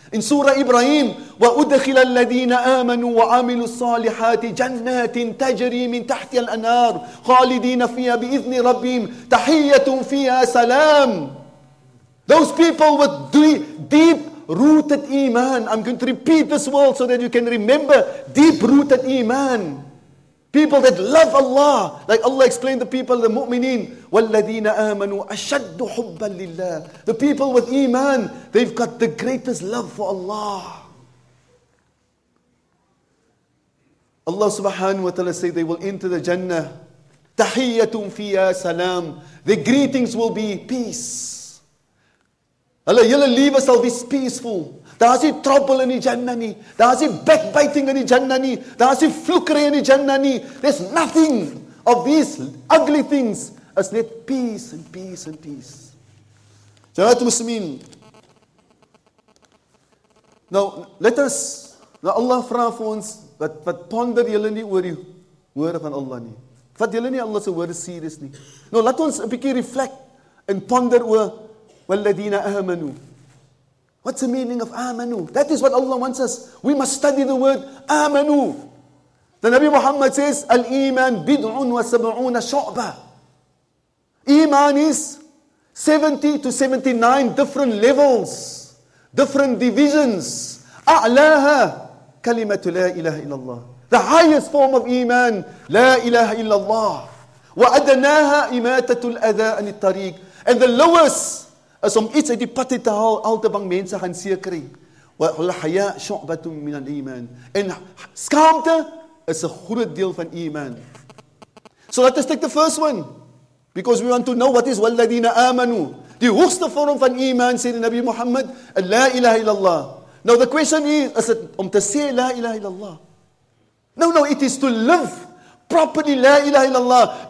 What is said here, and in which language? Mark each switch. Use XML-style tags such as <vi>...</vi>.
<en>In Surah Ibrahim,</en> <ar>وَأُدْخِلَ الَّذِينَ آمَنُوا وَعَامِلُوا الصَّالِحَاتِ جَنَّاتٍ تَجْرِي مِنْ تَحْتِيَ الْأَنَارِ خَالِدِينَ فِيهَا بِإِذْنِ رَبِّهِمْ تَحِيَّةٌ فِيهَا سَلَامٌ.</ar> <en>Those people with deep-rooted iman. I'm going to repeat this word so that you can remember deep-rooted iman. People that love Allah. Like Allah explained to people, the mu'mineen,</en> <ar>وَالَّذِينَ آمَنُوا أَشَدُّ حُبًّا لِلَّهِ.</ar> <en>The people with iman, they've got the greatest love for Allah. Allah subhanahu wa ta'ala say they will enter the Jannah.</en> <ar>تَحِيَّةٌ فِيهَا salam.</ar> <en>The greetings will be peace. Allah, your life shall be peaceful.</en> <af>Daar is nie trouble in die Jannah nie. Daar is nie backbiting in die Jannah nie. Daar is nie vloekery in die Jannah nie.</af> <en>There's nothing of these ugly things. It's net peace and peace and peace.</en> <ar>Jamaat al-Muslimin.</ar> <en>Now, let us,</en> <af>now Allah vra vir ons, wat ponder julle nie oor die woorde van Allah nie. Vat julle nie Allah se woorde serious nie. Nou, laat ons 'n bietjie reflect en ponder oor walladina amanu.</af> <en>What's the meaning of amanu? That is what Allah wants us. We must study the word amanu. The Nabi Muhammad says,</en> <ar>Al-Iman bid'un wa sab'una shu'ba.</ar> <en>Iman is 70 to 79 different levels, different divisions.</en> <ar>A'laha kalimatu la ilaha illallah.</ar> <en>The highest form of Iman, la ilaha illallah.</en> <ar>Wa adnaha imatatu al-adha anit-tariq.</ar> <en>And the lowest is</en> <af>om iets uit die patte te haal, al te bang mense gaan seer kry.</af> <ar>Wal-haya shu'batun min al-Iman.</ar> <af>En skaamte is 'n groot deel van Iman.</af> <en>So let us take the first one. Because we want to know what is walladina amanu.</en> <af>Die hoogste vorm van iman, sê die Nabi Muhammad, la ilaha illallah.</af> <en>Now the question is it</en> <af>om te sê</af> <en>la ilaha illallah? No, it is to live properly la ilaha illallah.</en>